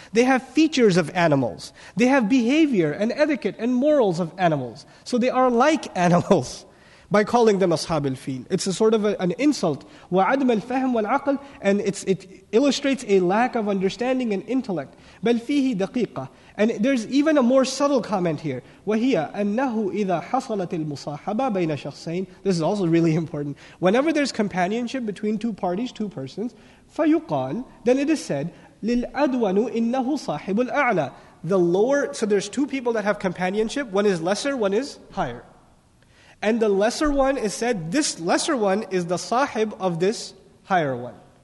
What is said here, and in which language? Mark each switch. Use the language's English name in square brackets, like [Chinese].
[English] They have features of animals. They have behavior and etiquette and morals of animals. So they are like animals by calling them ashab al-fil. It's a sort of an insult. [Arabic] وَعَدْمَ الْفَهْمُ وَالْعَقْلِ, [English] and it illustrates a lack of understanding and intellect. [Arabic] بَلْ فِيهِ دَقِيقًا, [English] and there's even a more subtle comment here. [Arabic] وَهِيَ أَنَّهُ إِذَا حَصَلَتِ الْمُصَاحَبَةَ بَيْنَ شَخْصَيْنِ, [English] this is also really important. Whenever there's companionship between two parties, two persons, فَيُقَالْ, then it is said, [Arabic] لِلْأَدْوَنُ إِنَّهُ صَاحِبُ الْأَعْلَى, [English] the lower, so there's two people that have companionship, one is lesser, one is higher. And the lesser one is said, this lesser one is the sahib of this higher one.